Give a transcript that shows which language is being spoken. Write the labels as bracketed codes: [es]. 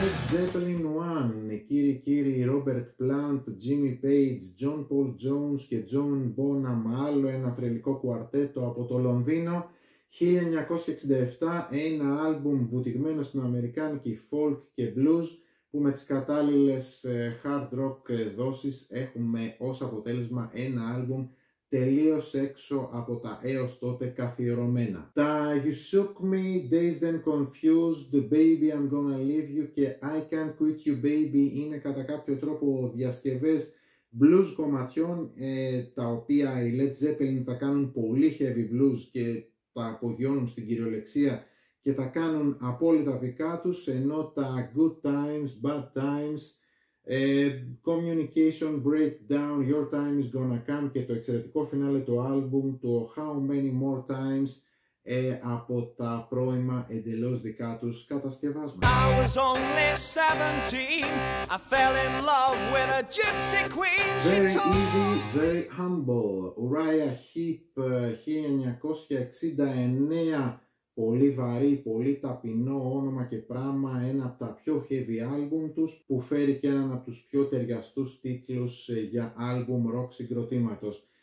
[el] Zeppelin 1, κύριοι, Robert Plant, Jimmy Page, John Paul Jones και John Bonham, άλλο ένα θρελικό κουαρτέτο από το Λονδίνο. 1967, ένα άλμπουμ βουτυγμένο στην αμερικάνικη folk και blues που με τις κατάλληλες hard rock δόσεις έχουμε ως αποτέλεσμα ένα άλμπουμ τελείως έξω από τα έως τότε καθιερωμένα. Τα You Shook Me, Dazed and Confused, Baby I'm Gonna Leave You και I Can't Quit You Baby είναι κατά κάποιο τρόπο διασκευές blues κομματιών τα οποία οι Led Zeppelin τα κάνουν πολύ heavy blues και τα απογειώνουν στην κυριολεξία και τα κάνουν απόλυτα δικά τους, ενώ τα Good Times, Bad Times, Communication Breakdown, Your Time is Gonna Come και το εξαιρετικό φινάλε του άλμπουμ, το How Many More Times, από τα πρώιμα εντελώς δικά τους κατασκευάσματα. [en] I was only 17, I fell in love with a gypsy queen. Very easy, very humble. [el] Uriah Heep, 1969, πολύ βαρύ, πολύ ταπεινό όνομα και πράγμα, ένα από τα πιο heavy άλμπουμ τους, που φέρει και έναν από τους πιο ταιριαστούς τίτλους για άλμπουμ rock συγκροτήματος.